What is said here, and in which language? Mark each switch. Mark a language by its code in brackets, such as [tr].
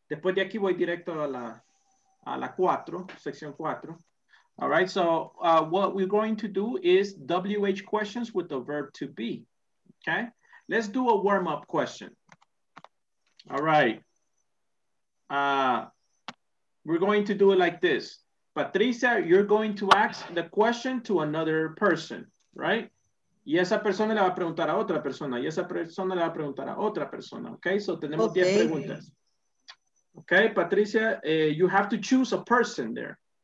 [es] Después de aquí voy directo a la 4, section 4. [en] All right, so what we're going to do is WH questions with the verb to be, okay? Let's do a warm-up question. All right. We're going to do it like this. Patricia, you're going to ask the question to another person, right? [es] Y esa persona le va a preguntar a otra persona. Y esa persona le va a preguntar a otra persona, okay? So tenemos 10 preguntas. [en] Okay, Patricia, you have to choose a person there.